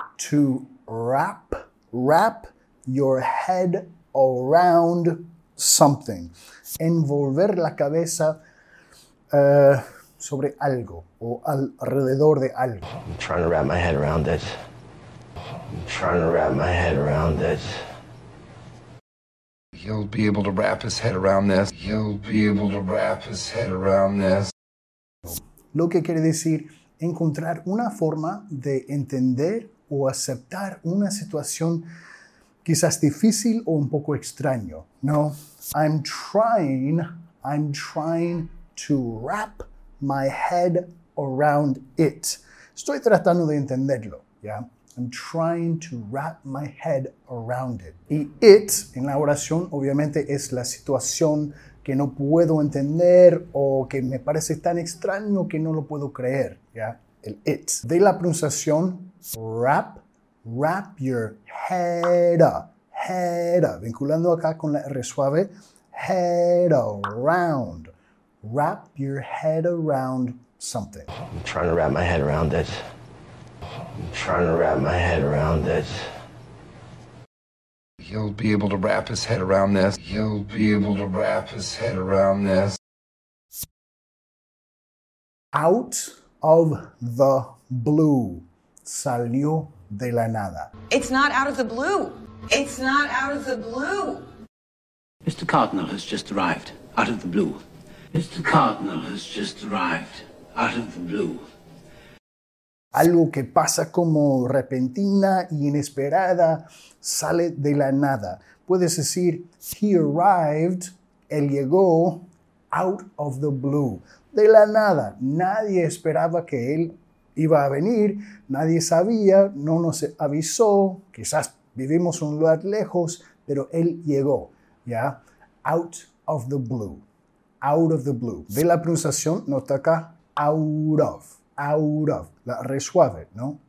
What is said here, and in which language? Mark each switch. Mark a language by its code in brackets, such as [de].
[en] To wrap, wrap your head around something. [es] Envolver la cabeza sobre algo o alrededor de algo. [en] I'm trying to wrap my head around it. I'm trying to wrap my head around it. He'll be able to wrap his head around this. He'll be able to wrap his head around this. [es] Lo que quiere decir encontrar una forma de entender o aceptar una situación quizás difícil o un poco extraño, ¿no? [en] I'm trying to wrap my head around it. [es] Estoy tratando de entenderlo, ¿ya? [en] I'm trying to wrap my head around it. [es] Y it, en la oración, obviamente es la situación que no puedo entender o que me parece tan extraño que no lo puedo creer, ¿ya? [en] El it. [es] De la pronunciación, [en] wrap, wrap your head up, head up. [es] Vinculando acá con la R suave, [en] head around, wrap your head around something. I'm trying to wrap my head around it. I'm trying to wrap my head around it. He'll be able to wrap his head around this. He'll be able to wrap his head around this. Out of the blue. [es] Salió de la nada. [en] It's not out of the blue. It's not out of the blue. Mr. Cardinal has just arrived out of the blue. Mr. Cardinal has just arrived out of the blue. [es] Algo que pasa como repentina y inesperada sale de la nada. Puedes decir, [en] he arrived, [es] él llegó, [en] out of the blue. [es] De la nada. Nadie esperaba que él iba a venir, nadie sabía, no nos avisó, quizás vivimos un lugar lejos, pero él llegó, ¿ya? [en] Out of the blue, out of the blue. [es] Ve la pronunciación, nota acá, out of, la re suave, ¿no?